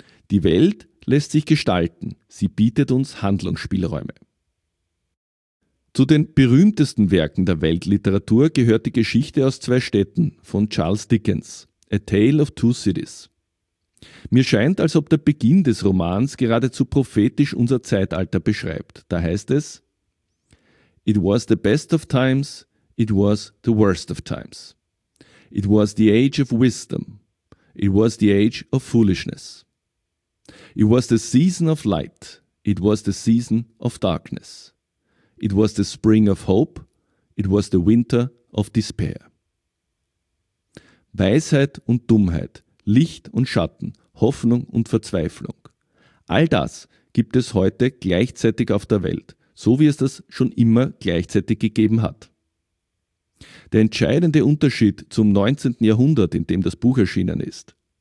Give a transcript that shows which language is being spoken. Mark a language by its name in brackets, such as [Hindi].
[German] Die Welt lässt sich gestalten, sie bietet uns Handlungsspielräume. Zu den berühmtesten Werken der Weltliteratur gehört die Geschichte aus zwei Städten von Charles Dickens, A Tale of Two Cities. Mir scheint, als ob der Beginn des Romans geradezu prophetisch unser Zeitalter beschreibt. Da heißt es: [English] It was the best of times, it was the worst of times. It was the age of wisdom, it was the age of foolishness. It was the season of light, it was the season of darkness. It was the spring of hope, it was the winter of despair. [German] Weisheit und Dummheit, Licht und Schatten, Hoffnung und Verzweiflung. All das gibt es heute gleichzeitig auf der Welt, so wie es das schon immer gleichzeitig gegeben hat. Der entscheidende Unterschied zum 19. Jahrhundert, in dem das Buch erschienen ist.